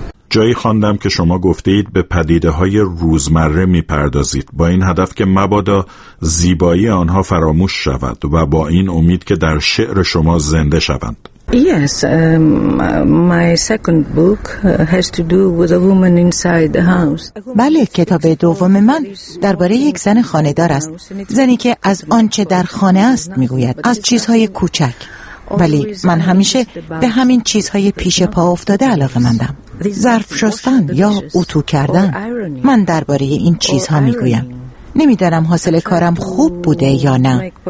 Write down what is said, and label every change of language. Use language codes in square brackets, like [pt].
[fa] جایی خواندم که شما گفتید به پدیده های روزمره می پردازید با این هدف که مبادا زیبایی آنها فراموش شود و با این امید که در شعر شما زنده شوند. [en] Yes, my second book has to do with a woman inside the house. [fa] بله، کتاب دوم من درباره یک زن خانه دار است، زنی که از آنچه در خانه است میگوید، از چیزهای کوچک. ولی من همیشه به همین چیزهای پیش پا افتاده علاقه مندم، ظرف شستن یا اتو کردن. من درباره این چیزها میگویم. نمیدانم حاصل کارم خوب بوده یا نه.